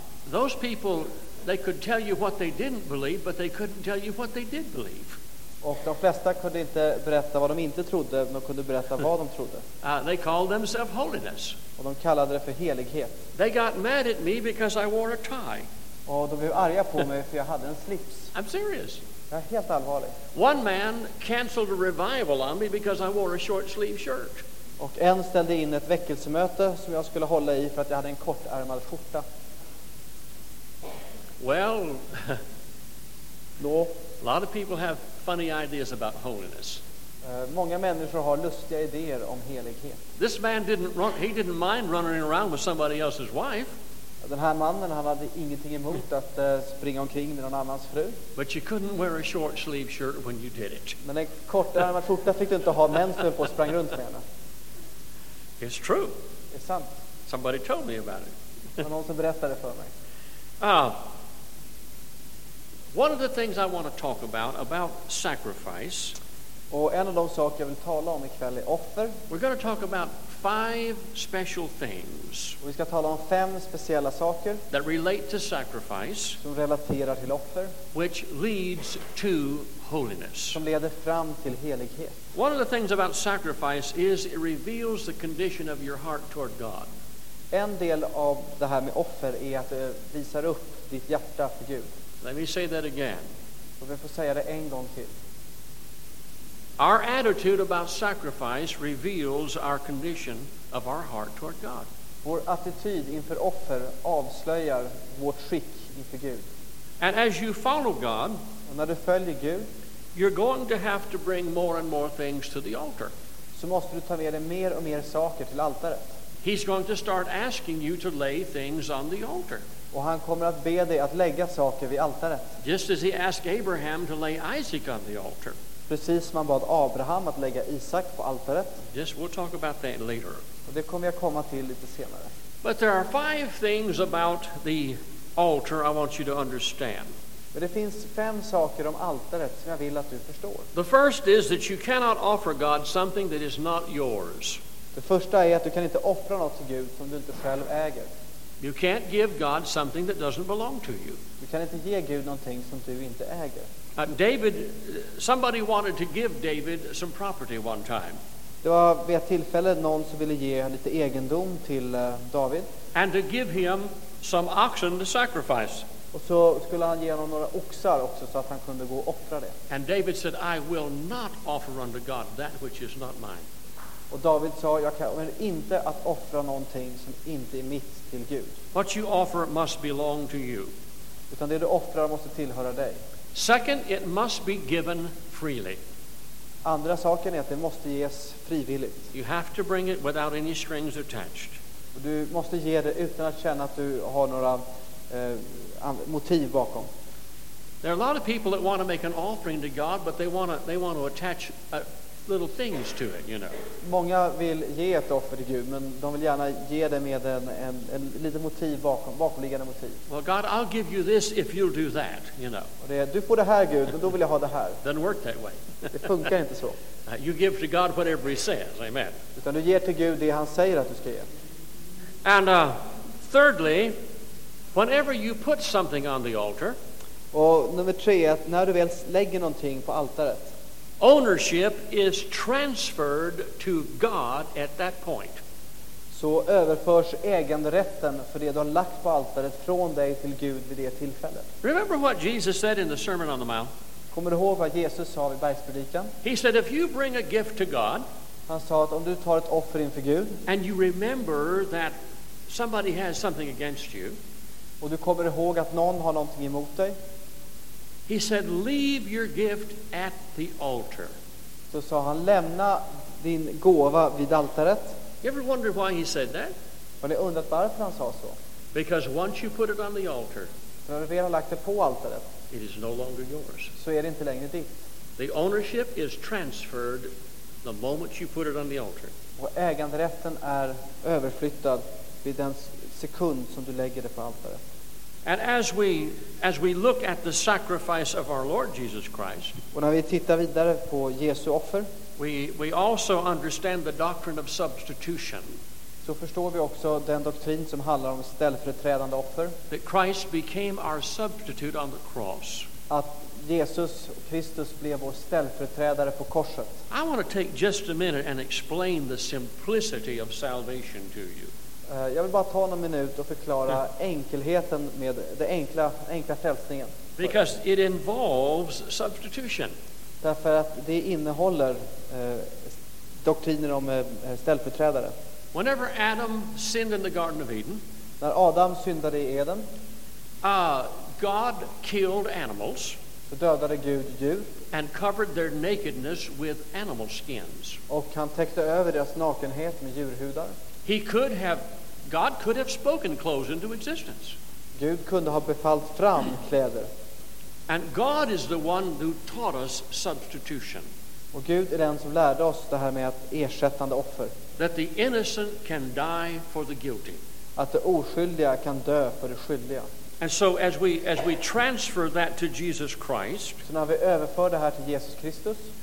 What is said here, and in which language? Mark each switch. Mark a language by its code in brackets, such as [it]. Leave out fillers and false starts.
[en] Those people, they could tell you what they didn't believe, but they couldn't tell you what they did believe. [sv] Och de flesta kunde inte berätta vad de inte trodde, men kunde berätta vad de trodde. [en] They called themselves holiness. [sv] Och de kallade det för helighet. [en] They got mad at me because I wore a tie. [sv] Och de blev arga på mig för jag hade en slips. [en] I'm serious. [sv] Jag är helt allvarlig. [en] One man canceled a revival on me because I wore a short sleeve shirt. [sv] Och en ställde in ett väckelsemöte som jag skulle hålla i för att jag hade en kortärmad skjorta. [en] Well, no. A lot of people have funny ideas about holiness. [sv] Många människor har lustiga idéer om helighet. [en] This man didn't mind running around with somebody else's wife. [sv] Den här mannen, han hade ingenting emot att springa omkring med någon annans fru. [en] But you couldn't wear a short sleeve shirt when you did it. [sv] Men en kortärmad skjorta fick du inte ha män som på sprang runt med henne. [en] It's true. [sv] Det är sant. [en] Somebody told me about it. [sv] Någon som berättade för mig. [en] One of the things I want to talk about sacrifice. [sv] Och en av de saker jag vill tala om ikväll är offer. [en] We're going to talk about five special things. [sv] Och vi ska tala om fem speciella saker [en] that relate to sacrifice, [sv] som relaterar till offer, [en] which leads to holiness. [sv] Som leder fram till helighet. [en] One of the things about sacrifice is it reveals the condition of your heart toward God. [sv] En del av det här med offer är att det visar upp ditt hjärta för Gud. [en] Let me say that again. [sv] Och vi får säga det en gång till. [en] Our attitude about sacrifice reveals our condition of our heart toward God. [sv] Vår attityd inför offer avslöjar vårt skick inför Gud. [en] And as you follow God, [sv] och när du följer Gud, [en] you're going to have to bring more and more things to the altar. [sv] Så måste du ta med dig mer och mer saker till altaret. [en] He's going to start asking you to lay things on the altar. [sv] Och han kommer att be dig att lägga saker vid altaret. [en] Just as he asked Abraham to lay Isaac on the altar. [sv] Precis som han bad Abraham att lägga Isak på altaret. [en] Yes, we'll talk about that later. [sv] Och det kommer jag komma till lite senare. [en] But there are five things about the altar I want you to understand. [sv] Men det finns fem saker om altaret som jag vill att du förstår. [en] The first is that you cannot offer God something that is not yours. [sv] Det första är att du kan inte offra något till Gud som du inte själv äger. [en] You can't give God something that doesn't belong to you. [sv] Du kan inte ge Gud någonting som du inte äger. [en] David, somebody wanted to give David some property one time. [sv] Det var vid ett tillfälle någon som ville ge lite egendom till David. [en] And to give him some oxen to sacrifice. [sv] Och så skulle han ge honom några oxar också så att han kunde gå och offra det. [en] And David said, I will not offer unto God that which is not mine. [sv] Och David sa, jag kommer inte att offra någonting som inte är mitt till Gud. [en] What you offer must belong to you. [sv] Utan det du offrar måste tillhöra dig. [en] Second, it must be given freely. [sv] Andra saken är att det måste ges frivilligt. [en] You have to bring it without any strings attached. [sv] Du måste ge det utan att känna att du har några motiv bakom. [en] There are a lot of people that want to make an offering to God, but they want to attach little things to it, you know. [sv] Många vill ge ett offer till Gud, men de vill gärna ge det med en liten motiv bakomliggande motiv. [en] Well, God, I'll give you this if you'll do that, you know. [sv] Och det är, du får det här Gud, men då vill jag ha det här. [en] Doesn't work that way. [sv] Det funkar inte så. [en] You give to God whatever he says, amen. [sv] Utan du ger till Gud det han säger att du ska ge. [en] And thirdly, whenever you put something on the altar. [sv] Och nummer tre, att när du väl lägger någonting på altaret. [en] Ownership is transferred to God at that point. [sv] Så överförs äganderätten för det du har lagt på altaret från dig till Gud vid det tillfället. [en] Remember what Jesus said in the Sermon on the Mount? [sv] Kommer du ihåg vad Jesus sa vid bergspredikan? [en] He said if you bring a gift to God, [sv] han sa att om du tar ett offer inför Gud, [en] and you remember that somebody has something against you, [sv] och du kommer ihåg att någon har någonting emot dig, [en] he said, leave your gift at the altar. [sv] Så sa han, lämna din gåva vid altaret. [en] You ever wonder why he said that? [sv] Har ni undrat varför han sa så? [en] Because once you put it on the altar, [sv] när du väl har lagt det på altaret, [en] it is no longer yours. [sv] Så är det inte längre ditt. [en] The ownership is transferred the moment you put it on the altar. [sv] Och äganderätten är överflyttad vid den sekund som du lägger det på altaret. [en] And as we look at the sacrifice of our Lord Jesus Christ, [sv] och när vi tittar vidare på Jesu offer, [en] we also understand the doctrine of substitution. [sv] Så förstår vi också den doktrin som handlar om ställföreträdande offer. [en] That Christ became our substitute on the cross. [sv] Att Jesus Kristus blev vår ställföreträdare på korset. [en] I want to take just a minute and explain the simplicity of salvation to you. [sv] Jag vill bara ta en minut och förklara enkelheten med det enkla frälsningen. [en] Because it involves substitution. [sv] Därför att det innehåller doktriner om ställföreträdare. [en] Whenever Adam sinned in the Garden of Eden, [sv] när Adam syndade i Eden, [en] God killed animals, [sv] så dödade Gud djur, [en] and covered their nakedness with animal skins. [sv] Och han täckte över deras nakenhet med djurhudar. [en] He could have God could have spoken clothes into existence. [sv] Gud kunde ha befallt fram kläder. [en] And God is the one who taught us substitution. [sv] Och Gud är den som lärde oss det här med att ersättande offer. [en] That the innocent can die for the guilty. [sv] Att det oskyldiga kan dö för det skyldiga. [en] And so as we transfer that to Jesus Christ. [sv] Så när vi överför det här till Jesus Kristus.